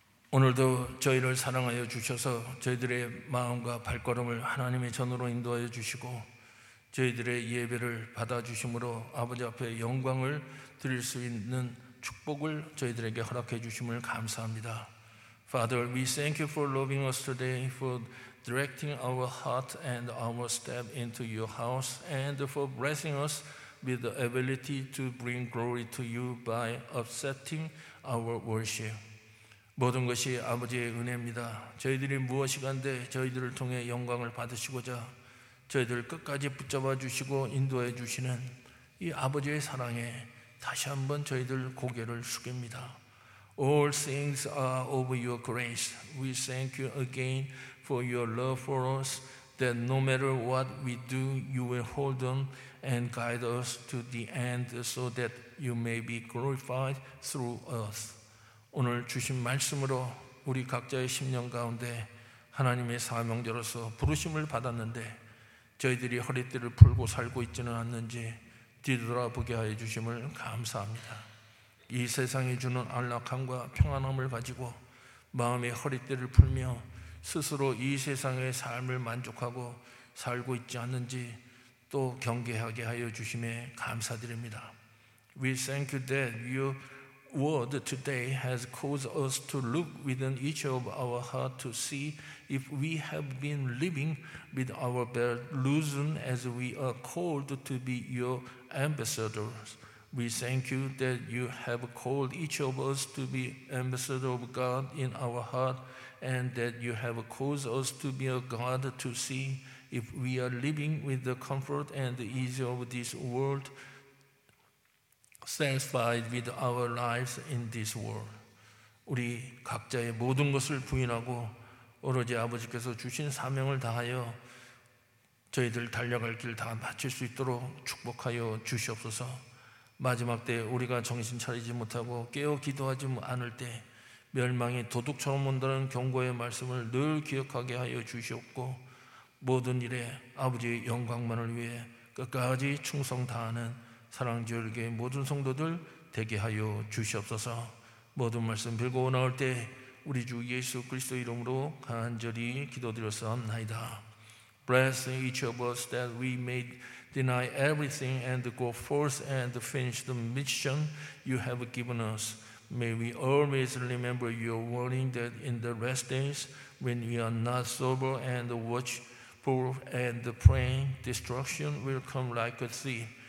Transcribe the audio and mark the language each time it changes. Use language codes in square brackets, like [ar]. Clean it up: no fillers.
[ko] 오늘도 저희를 사랑하여 주셔서 저희들의 마음과 발걸음을 하나님의 전으로 인도하여 주시고 저희들의 예배를 받아주심으로 아버지 앞에 영광을 드릴 수 있는 축복을 저희들에게 허락해 주심을 감사합니다. [en] Father, we thank you for loving us today, for directing our heart and our step into your house, and for blessing us with the ability to bring glory to you by accepting our worship. [ko] 모든 것이 아버지의 은혜입니다. 저희들이 무엇이간데 저희들을 통해 영광을 받으시고자 저희들 끝까지 붙잡아 주시고 인도해 주시는 이 아버지의 사랑에 다시 한번 저희들 고개를 숙입니다. [en] All things are of your grace. We thank you again for your love for us, that no matter what we do, you will hold on and guide us to the end so that you may be glorified through us. [ko] 오늘 주신 말씀으로 우리 각자의 심령 가운데 하나님의 사명자로서 부르심을 받았는데 저희들이 허리띠를 풀고 살고 있지는 않는지 뒤돌아보게 하여 주심을 감사합니다. 이 세상이 주는 안락함과 평안함을 가지고 마음의 허리띠를 풀며 스스로 이 세상의 삶을 만족하고 살고 있지 않는지 또 경계하게 하여 주심에 감사드립니다. [en] We thank you that you Word today has caused us to look within each of our heart to see if we have been living with our belt loosened as we are called to be your ambassadors. We thank you that you have called each of us to be ambassador of God in our heart and that you have caused us to be a God to see if we are living with the comfort and the ease of this world satisfied with our lives in this world. [ko] 우리 각자의 모든 것을 부인하고 오로지 아버지께서 주신 사명을 다하여 저희들 달려갈 길 다 마칠 수 있도록 축복하여 주시옵소서. 마지막 때 우리가 정신 차리지 못하고 깨어 기도하지 않을 때 멸망이 도둑처럼 온다는 경고의 말씀을 늘 기억하게 하여 주시옵고 모든 일에 아버지의 영광만을 위해 끝까지 충성 다하는 사랑지어에게 모든 성도들 되게 하여 주시옵소서. 모든 말씀 빌고 나올 때 우리 주 예수 그리스도 이름으로 간절히 기도드렸사옵나이다. [en] Bless each of us that we may deny everything and go forth and finish the mission you have given us. May we always remember your warning that in the rest days when we are not sober and watchful and praying, destruction will come like a thief.